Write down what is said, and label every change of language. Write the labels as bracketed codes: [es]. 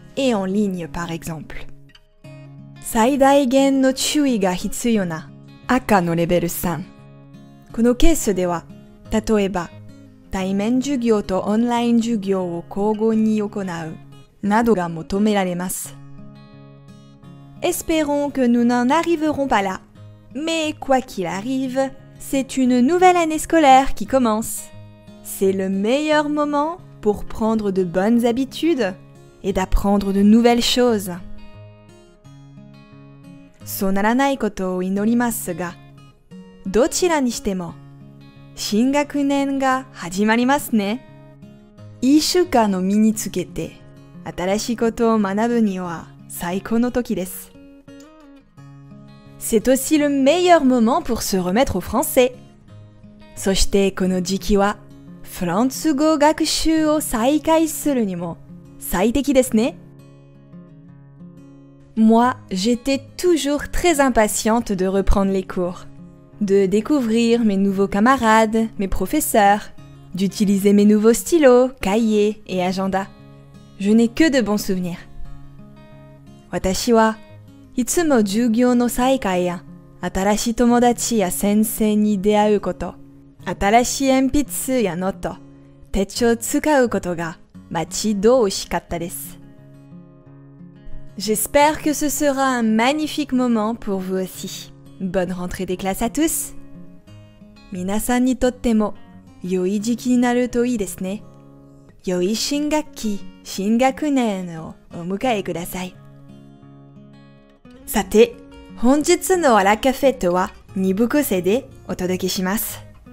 [fr] et en ligne par exemple. [ja] 最大限の注意が必要な赤のレベル3。このケースでは、例えば、対面授業とオンライン授業を交互に行うなどが求められます。 [fr] Espérons que nous n'en arriverons pas là. Mais quoi qu'il arrive, c'est une nouvelle année scolaire qui commence. C'est le meilleur moment pour prendre de bonnes habitudes et d'apprendre de nouvelles choses. [ja] そうならないことを祈りますが、どちらにしても、新学年が始まりますね。一週間の身につけて、新しいことを学ぶには最高の時です。 [fr] C'est aussi le meilleur moment pour se remettre au français. [ja] そしてこの時期は、フランス語学習を再開するにも最適ですね。 [fr] Moi, j'étais toujours très impatiente de reprendre les cours, de découvrir mes nouveaux camarades, mes professeurs, d'utiliser mes nouveaux stylos, cahiers et agendas. Je n'ai que de bons souvenirs. [ja] 私はいつも授業の再開や新しい友達や先生に出会うこと、新しい鉛筆やノート、手帳を使うことが待ち遠しかったです。 [fr] J'espère que ce sera un magnifique moment pour vous aussi. Bonne rentrée des classes à tous! [ja] 皆さんにとっても良い時期になるといいですね。良い新学期、新学年をお迎えください。さて、本日のアラカフェとは2部構成でお届けします。